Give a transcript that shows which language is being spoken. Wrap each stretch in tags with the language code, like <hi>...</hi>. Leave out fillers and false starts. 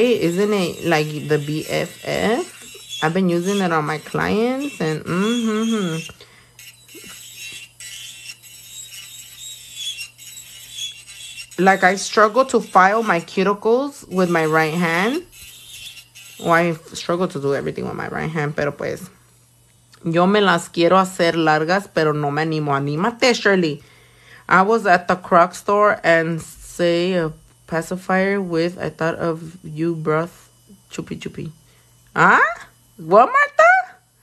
<en>Isn't it, like, the BFF? I've been using it on my clients, and Like, I struggle to file my cuticles with my right hand. Well, I struggle to do everything with my right hand,</en> <es>pero pues. Yo me las quiero hacer largas, pero no me animo. Anímate, Shirley.</es> <en>I was at the Croc store and say a pacifier with, I thought of you, broth, chupi chupi. Huh? What, Martha?</en>